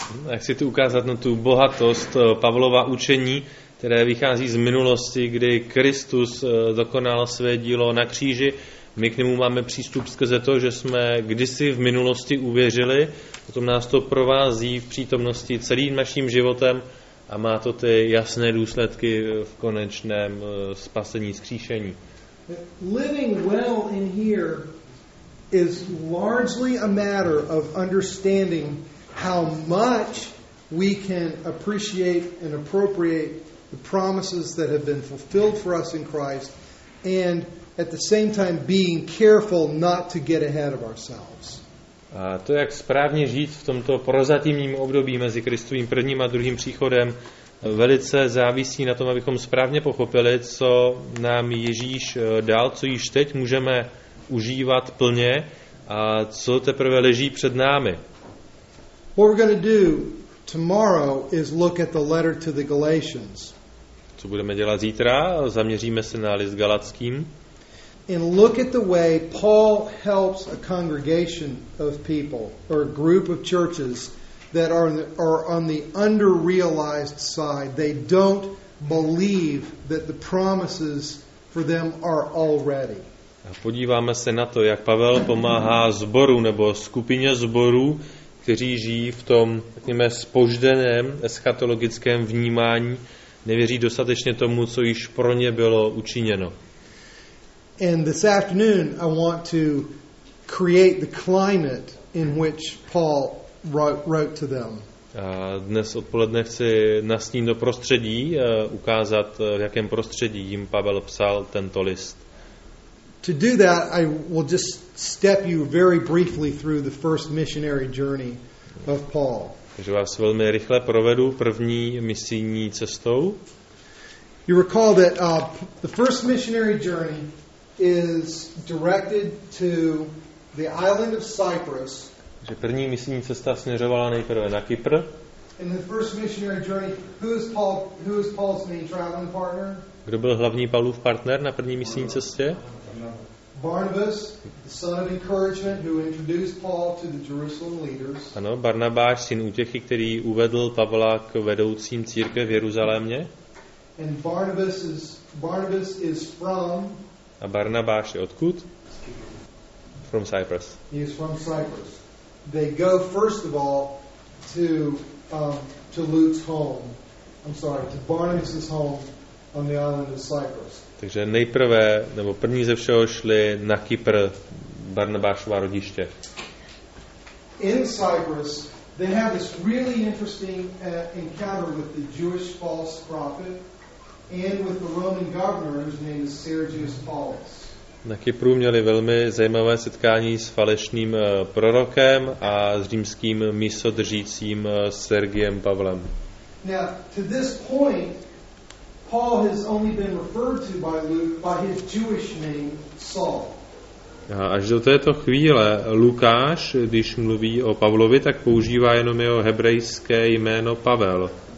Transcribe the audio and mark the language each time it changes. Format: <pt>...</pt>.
<cs>Jak chci tu ukázat na tu bohatost Pavlova učení, které vychází z minulosti, kdy Kristus dokonal své dílo na kříži. My k němu máme přístup skrze to, že jsme kdysi v minulosti uvěřili, potom nás to provází v přítomnosti celým naším životem a má to ty jasné důsledky v konečném spasení, zkříšení.</cs> <en>Living well in here is largely a matter of understanding how much we can appreciate and appropriate the promises that have been fulfilled for us in Christ and at the same time being careful not to get ahead of ourselves.</en> <cs>A to, jak správně žít v tomto prozatímním období mezi Kristovým prvním a druhým příchodem, velice závisí na tom, abychom správně pochopili, co nám Ježíš dal, co již teď můžeme užívat plně a co teprve leží před námi.</cs> <en>What we're going to do tomorrow is look at the letter to the Galatians.</en> <cs>Co budeme dělat zítra? Zaměříme se na list Galackým.</cs> <en>And look at the way Paul helps a congregation of people or a group of churches that are on the under-realized side. They don't believe that the promises for them are already.</en> <cs>A podíváme se na to, jak Pavel pomáhá zboru nebo skupině zborů, kteří žijí v tom, řekněme, spožděném eschatologickém vnímání, nevěří dostatečně tomu, co již pro ně bylo učiněno.</cs> <en>And this afternoon I want to create the climate in which Paul wrote to them.</en> <cs>A dnes odpoledne chci nastínit do prostředí, ukázat, v jakém prostředí jim Pavel psal tento list.</cs> <en>To do that I will just step you very briefly through the first missionary journey of Paul.</en> <cs>Takže vás velmi rychle provedu první misijní cestou.</cs> <en>You recall that the first missionary journey is directed to the island of Cyprus.</en> <cs>Takže první misijní cesta směřovala nejprve na Kypr.</cs> <en>In the first missionary journey, who is Paul's main traveling partner?</en> <cs>Kdo byl hlavní Paulův partner na první misijní cestě?</cs> <en>Barnabas, the son of encouragement, who introduced Paul to the Jerusalem leaders.</en> <cs>Ano, Barnabáš, syn útěchy, který uvedl Pavla k vedoucím církve v Jeruzalémě.</cs> <en>And Barnabas is from.</en> <cs>A Barnabáš je odkud?</cs> <en>From Cyprus. He is from Cyprus. They go first of all to Luke's home. I'm sorry, to Barnabas's home on the island of Cyprus.</en> <cs>Takže nejprve, nebo první ze všeho šli na Kypr, Barnabášova rodiště.</cs> <en>In Cyprus, they have this really interesting encounter with the Jewish false prophet and with the Roman governor whose name is Sergius Paulus.</en> <cs>Na Kypru měli velmi zajímavé setkání s falešným prorokem a s římským mísodržícím Sergiem Pavlem.</cs> <en>Now, to this point, Paul has only been referred to by Luke by his Jewish name Saul.</en> <cs>A až do této chvíle Lukáš, když mluví o Pavlovi, tak používá jenom jeho hebrejské jméno Pavel.</cs>